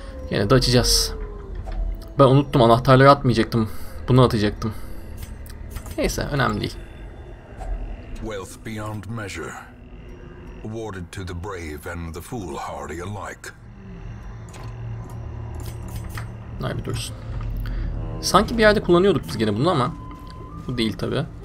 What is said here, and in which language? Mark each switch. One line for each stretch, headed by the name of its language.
Turkish: Yine de açacağız. Ben unuttum, anahtarları atmayacaktım. Bunu atacaktım. Neyse, önemli değil.
English: Wealth beyond measure, awarded to the brave and the foolhardy alike.
Turkish: Hayır, bir dursun. Sanki bir yerde kullanıyorduk biz gene bunu ama bu değil tabi.